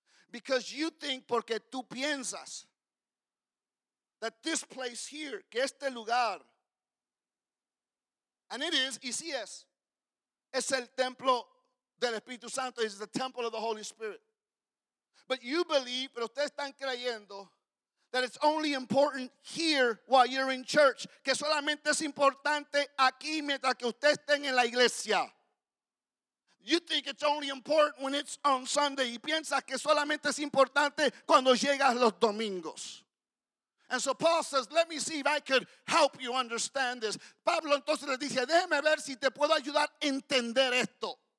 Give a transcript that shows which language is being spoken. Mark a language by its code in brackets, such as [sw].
[en] Because you think, [es] porque tú piensas, [en] that this place here, [es] que este lugar, [en] and it is, [es] y sí es, es el templo del Espíritu Santo, [en] it's the temple of the Holy Spirit. But you believe, [es] pero ustedes están creyendo, [en] that it's only important here while you're in church. [es] Que solamente es importante aquí mientras que usted esté en la iglesia. [en] You think it's only important when it's on Sunday. [es] Y piensas que solamente es importante cuando llegas los domingos. [en] And so Paul says, let me see if I could help you understand this. [es] Pablo entonces le dice, déjeme ver si te puedo ayudar a entender esto.